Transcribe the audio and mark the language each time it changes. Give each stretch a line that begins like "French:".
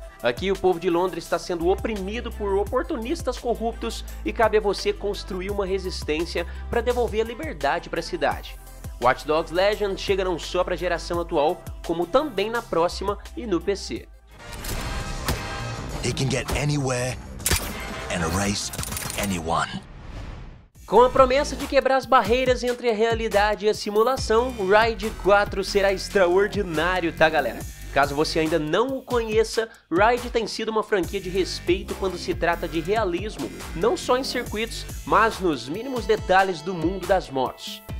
Portuguese: Aqui o povo de Londres está sendo oprimido por oportunistas corruptos e cabe a você construir uma resistência para devolver a liberdade para a cidade. Watch Dogs Legion chega não só para a geração atual, como também na próxima e no PC.
English: He can get anywhere and erase anyone.
Portuguese: Com a promessa de quebrar as barreiras entre a realidade e a simulação, Ride 4 será extraordinário, tá galera? Caso você ainda não o conheça, Ride tem sido uma franquia de respeito quando se trata de realismo, não só em circuitos, mas nos mínimos detalhes do mundo das motos.